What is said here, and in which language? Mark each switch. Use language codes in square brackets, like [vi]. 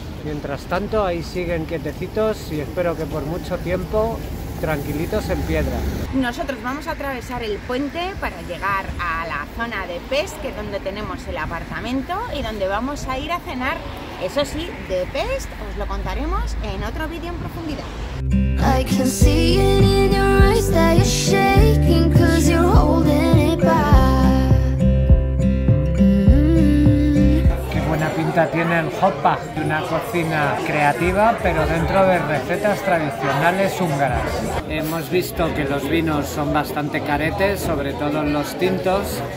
[es] Mientras tanto, ahí siguen quietecitos y espero que por mucho tiempo tranquilitos en piedra. Nosotros vamos a atravesar el puente para llegar a la zona de Pest, que es donde tenemos el apartamento y donde vamos a ir a cenar. Eso sí, de Pest os lo contaremos en otro vídeo en profundidad. [en] I can see it in your eyes that you're shaking, 'cause you're holding it [es] back. Qué buena pinta tiene el Hotpah, una cocina creativa pero dentro de recetas tradicionales húngaras. Hemos visto que los vinos son bastante caretes, sobre todo los tintos.